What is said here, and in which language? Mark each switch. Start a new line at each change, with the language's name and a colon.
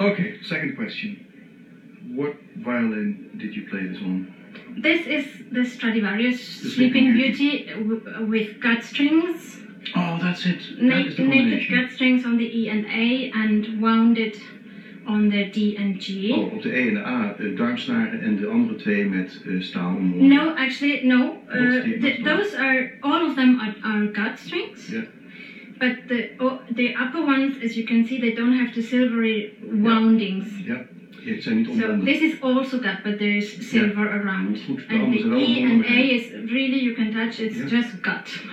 English: Okay, second question. What violin did you play this on? This is the Stradivarius Sleeping Beauty with gut strings. Oh, that's it. Naked gut strings on the E and A, and wound it on the D and G.
Dutch: Oh, op de E en A, darmsnaar, en de andere twee met staal omhoog.
English: No, actually, no. Those are, all of them are gut strings. Yeah. But the upper ones, as you can see, they don't have the silvery woundings. Yeah. Yeah, so this is also that, but there is silver around. And the E and A is really, you can touch, it's just gut.